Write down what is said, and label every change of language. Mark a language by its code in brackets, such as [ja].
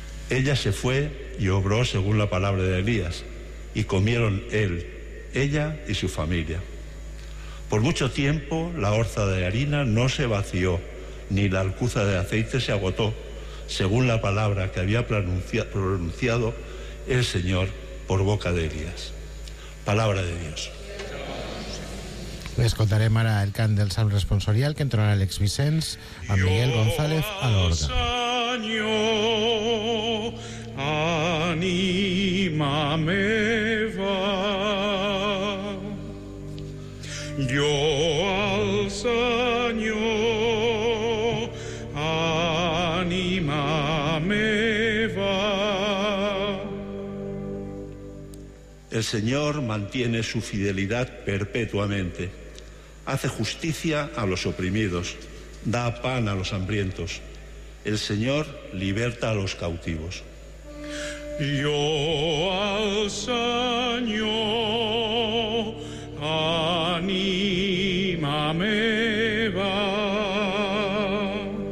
[es] Ella se fue y obró según la palabra de Elías, y comieron él, ella y su familia. Por mucho tiempo la orza de harina no se vació, ni la alcuza de aceite se agotó, según la palabra que había pronunciado el Señor por boca de Elías. Palabra de Dios. [ca] Escoltarem ara el cant del Salm responsorial que entonarà l'ex Vicenç amb Miguel González a l'orgue. Ànima meva, jo al Senyor, ànima meva. [es] El Señor mantiene su fidelidad perpetuamente. Hace justicia a los oprimidos, da pan a los hambrientos. El Señor liberta a los cautivos. Yo al Señor, [ca] ánima meva.